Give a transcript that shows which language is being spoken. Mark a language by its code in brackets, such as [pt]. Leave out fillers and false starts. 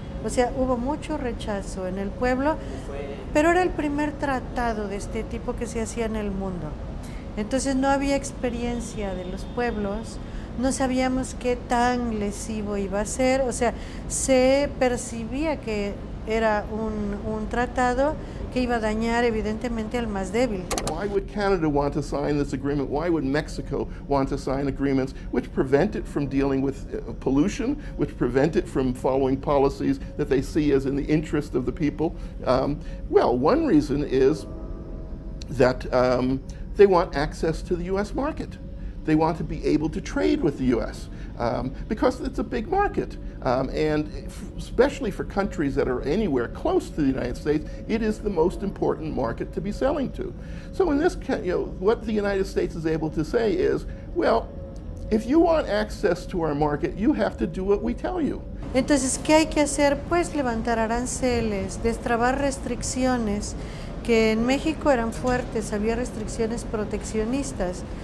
[es] O sea, hubo mucho rechazo en el pueblo, pero era el primer tratado de este tipo que se hacía en el mundo. Entonces no había experiencia de los pueblos, no sabíamos qué tan lesivo iba a ser. O sea, se percibía que era un tratado que iba a dañar evidentemente al más débil. [en] Why would Canada want to sign this agreement? Why would Mexico want to sign agreements which prevent it from dealing with pollution, which prevent it from following policies that they see as in the interest of the people? Well, one reason is that they want access to the U.S. market. They want to be able to trade with the U.S. Because it's a big market, and especially for countries that are anywhere close to the United States, it is the most important market to be selling to. So in this, what the United States is able to say is, well, if you want access to our market, you have to do what we tell you. [es] Entonces, ¿qué hay que hacer? Pues levantar aranceles, destrabar restricciones, que en México eran fuertes, había restricciones proteccionistas.